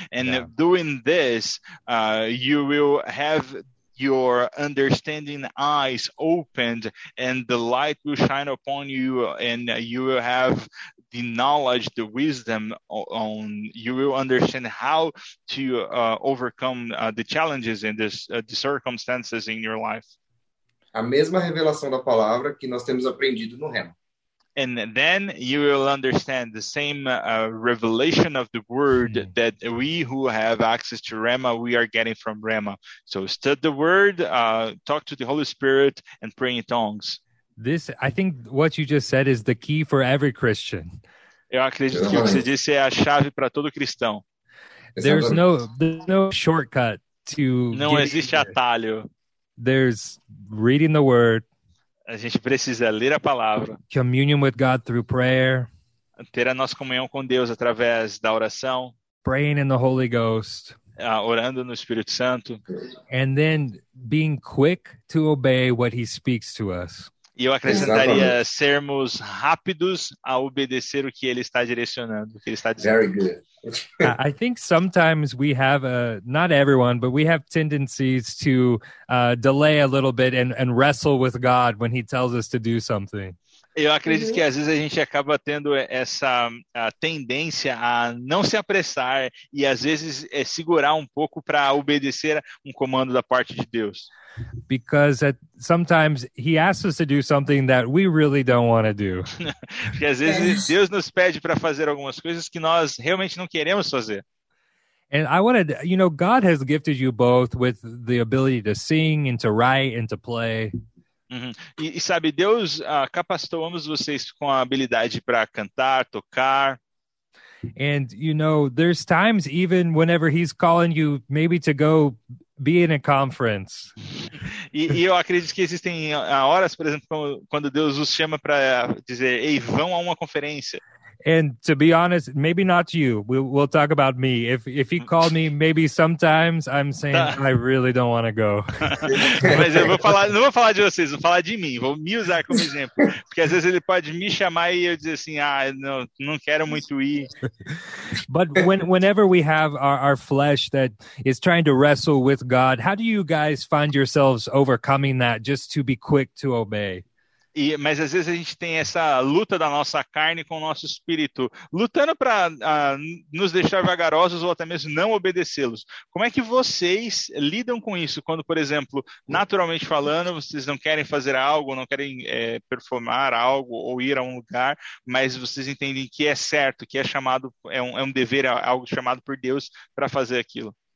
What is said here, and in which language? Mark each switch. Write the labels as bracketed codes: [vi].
[en] And doing this, you will have your understanding eyes opened, and the light will shine upon you, and you will have the knowledge, the wisdom on, you will understand how to overcome the challenges in this the circumstances in your life. [pt] A mesma revelação da palavra que nós temos aprendido no Rema. [en] And then you will understand the same revelation of the word that we who have access to Rhema, we are getting from Rhema. So study the word, talk to the Holy Spirit, and pray in tongues. This, I think what you just said is the key for every Christian. [pt] Eu acredito que o que você disse é a chave para todo cristão. [en] There's no shortcut to [pt] Não [en] getting [pt] existe [en] there. [pt] atalho. [en] There's reading the word. [pt] A gente precisa ler a palavra, [en] Communion with God through prayer, [pt] ter a nossa comunhão com Deus através da oração, [en] praying in the Holy Ghost, [pt] orando no Espírito Santo, [en] and then being quick to obey what He speaks to us. [pt] E eu acrescentaria, exatamente, sermos rápidos a obedecer o que ele está direcionando, o que ele está dizendo. [en] Very good. I think sometimes we have, not everyone, but we have tendencies to delay a little bit and wrestle with God when he tells us to do something. [pt] Eu acredito que às vezes a gente acaba tendo essa tendência a não se apressar e às vezes segurar um pouco para obedecer um comando da parte de Deus. [en] Because sometimes he asks us to do something that we really don't want to do. [pt] Porque às vezes Deus nos pede para fazer algumas coisas que nós realmente não queremos fazer. [en] And I wanted, you know, God has gifted you both with the ability to sing and to write and to play. Uhum. [pt] E sabe, Deus capacitou ambos vocês com a habilidade para cantar, tocar. [en] And you know, there's times even whenever he's calling you maybe to go be in a conference. [pt] E eu acredito que existem horas, por exemplo, quando Deus os chama para dizer, ei, vão a uma conferência. [en] And to be honest, maybe not you. We'll talk about me. If he called me, maybe sometimes I'm saying I really don't want to go. [pt] Mas eu vou falar, não vou falar de vocês, vou falar de mim. Vou me usar como exemplo. Porque às vezes ele pode me chamar e eu dizer assim, ah, não quero muito ir. [en] But whenever we have our flesh that is trying to wrestle with God, how do you guys find yourselves overcoming that just to be quick to obey? [pt] Mas às vezes a gente tem essa luta da nossa carne com o nosso espírito, lutando para nos deixar vagarosos ou até mesmo não obedecê-los. Como é que vocês lidam com isso quando, por exemplo, naturalmente falando, vocês não querem fazer algo, não querem performar algo ou ir a um lugar, mas vocês entendem que é certo, que é chamado, é um dever, é algo chamado por Deus para fazer aquilo?